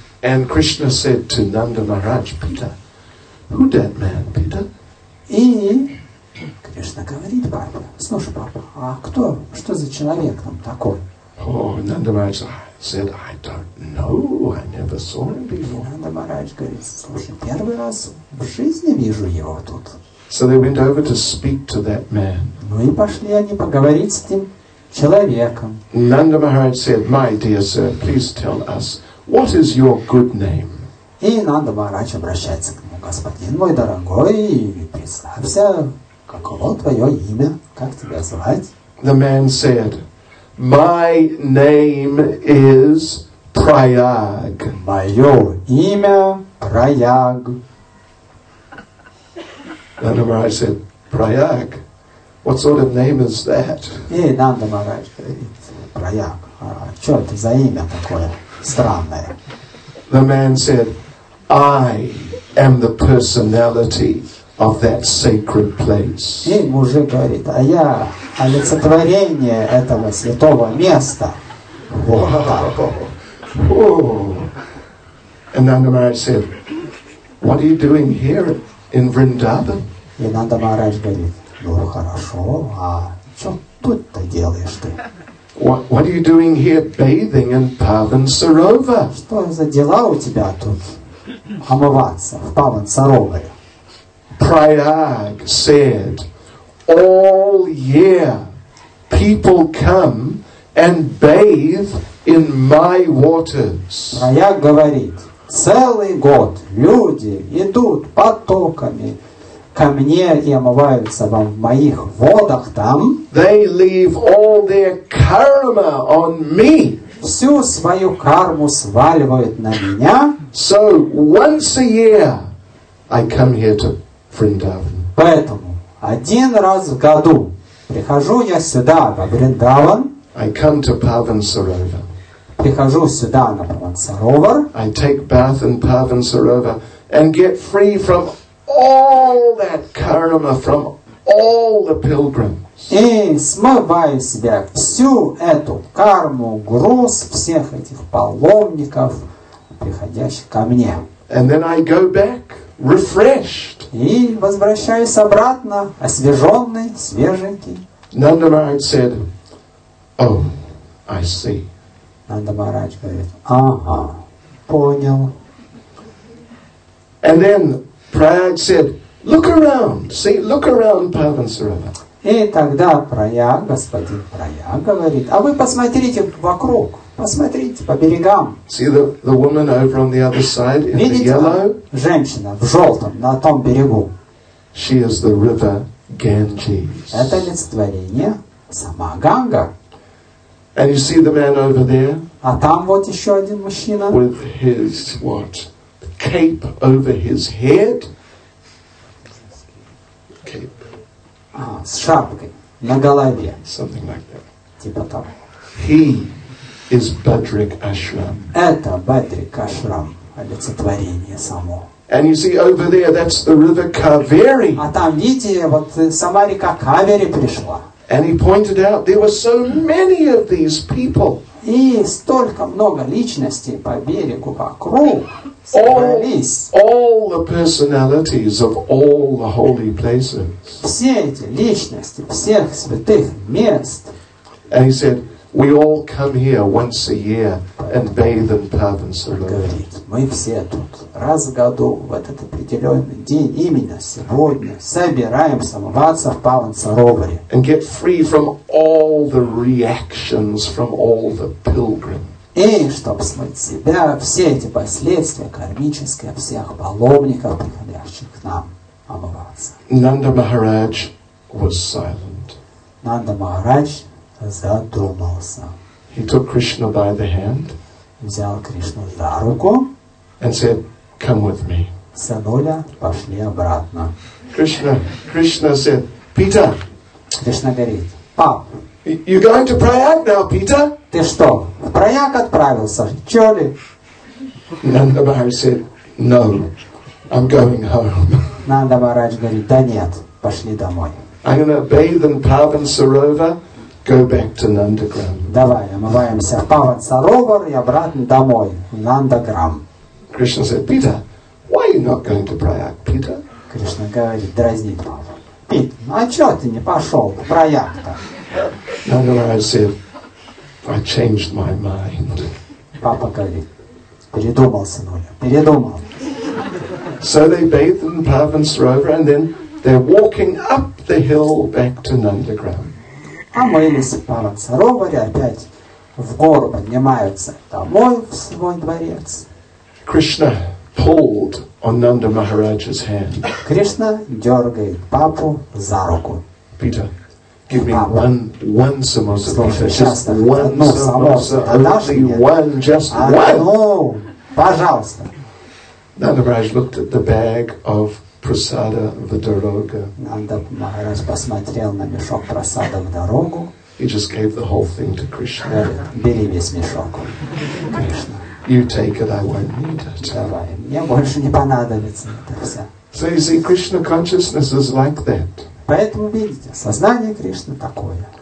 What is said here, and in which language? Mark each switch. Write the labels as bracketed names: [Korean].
[English] And Krishna said to Nanda Maharaj, Peter, who that man, Peter? [Russian] И Кришна говорит Барбе, слушай, папа, а кто, что за человек там такой? [English] Oh, Nanda Maharaj said, I don't know, I never saw him before. [Russian] Nanda Maharaj говорит, слушай, первый раз в жизни вижу его тут. [English] So they went over to speak to that man. [Russian] Ну и пошли они поговорить с этим человеком. [English] Nanda Maharaj said, my dear sir, please tell us, what is your good name? [Russian] И Нанда Махарадж обращается к нему, господин мой дорогой, представься, каково твое имя, как тебя звать? [English] The man said, my name is Prayag. [Russian] Мое имя Прайаг. [English] Нанда Махарадж said, Прайаг, what sort of name is that? [Russian] И Нанда Махарадж говорит, Прайаг, а что это за имя такое странное? [English] The man said, I am the personality of that sacred place. [Russian] И мужик говорит, а я олицетворение этого святого места. Вот так. [English] And Nanda Maharaj said, what are you doing here in Vrindavan? [Russian] И Нанда Маридж говорит, ну хорошо, а что тут-то делаешь ты? [English] What are you doing here bathing in Parvansarova? [Russian] Что за дела у тебя тут? Омываться в Парвансарове. [English] Prayag said, all year people come and bathe in my waters. [Russian] Prayag говорит, целый год люди идут потоками ко мне и омываются в моих водах там. [English] They leave all their karma on me. [Russian] Всю свою карму сваливают на меня. [English] So once a year I come here to Vrindavan. [Russian] Поэтому один раз в году прихожу я сюда во Вриндаван. [English] I come to Parvansarova. [Russian] Прихожу сюда на Парвансаровар. [English] I take bath in Parvansarova and get free from all that karma from all the pilgrims. [Russian] И смываю в себя всю эту карму, груз всех этих паломников, приходящих ко мне. [English] And then I go back refreshed. [Russian] И возвращаюсь обратно, освеженный, свеженький. [English] Nanda Maharaj said, oh, I see. [Russian] Нанда Маридж говорит, ага, понял. [English] And then Prayag said, look around, see, look around Parvansarova. [Russian] И тогда Прайаг, господин Прайаг, говорит, а вы посмотрите вокруг, посмотрите по берегам. [English] See the woman over on the other side in [Russian] видите [English] the yellow? [Russian] Женщина в желтом на том берегу. [English] She is the river Ganges. [Russian] Это олицетворение сама Ганга. [English] And you see the man over there? [Russian] А там вот еще один мужчина. [English] With his what? Cape over his head. Cape. [Russian] С шапкой на голове. [English] Something like that. [Russian] Типа того. [English] He is Badrik Ashram. [Russian] Это Badrik Ashram, олицетворение само. [English] And you see over there, that's the river Kaveri. [Russian] А там видите, вот сама река Кавери пришла. [English] And he pointed out there were so many of these people. [Russian] И столько много личностей по берегу вокруг. [English] All the personalities of all the holy places. [Russian] Все эти личности всех святых мест. [English] And he said, we all come here once a year and bathe in Parvansarova. [Russian] Говорит, мы все тут раз в году в этот определенный день именно сегодня собираемся омываться в Парвансароваре. [English] And get free from all the reactions from all the pilgrims. [Russian] И чтобы смыть себя, все эти последствия кармические всех паломников, приходящих к нам омываться. [English] Nanda Maharaj was silent. [Russian] Nanda Maharaj задумался. [English] He took Krishna by the hand. [Russian] Взял Кришну за руку. [English] And said, come with me. [Russian] Сынуля, пошли обратно. [English] Krishna said, Peter. [Russian] Кришна говорит, пап. [English] You're going to Prayag now, Peter? [Russian] Ты что, в Прайаг отправился? Чё ли? [English] Nanda Maharaj said, no, I'm going home. [Russian] Нанда Маридж говорит, да нет, пошли домой. [English] I'm going to bathe in Pavan Sarovar, go back to Nandagram. [Russian] Давай, омываемся в Pavan Sarovar и обратно домой, в Нандаграм. [English] Krishna said, Peter, why are you not going to Prayag, Peter? [Russian] Кришна говорит, дразни Пава. Пит, ну а чего ты не пошел в Прайяг-то? [English] Нандаграм said, I changed my mind. [Russian] Папа говорит, передумал, сынуля, передумал. [English] So they bathe in Pavan Sarovar and then they're walking up the hill back to Nandagram. [Russian] Омылись в Pavan Sarovar, опять в гору поднимаются домой в свой дворец. [English] Krishna pulled on Nanda Maharaj's hand. [Russian] Krishna дергает папу за руку. [English] Peter, give me [Russian] папа. [English] one samosa. [Russian] Слушай, [English] Peter, just one samosa. Only one. [Russian] Пожалуйста. [English] Nanda Maharaj looked at the bag of prasada [Russian] в дорогу. Nanda Maharaj посмотрел на мешок прасада в дорогу. [English] He just gave the whole thing to Krishna. [Russian] Бери весь мешок, Krishna. [English] You take it, I won't need it. [Russian] Давай, мне больше не понадобится это все. [English] So you see, Krishna consciousness is like that. [Russian] Поэтому видите, сознание Кришны такое.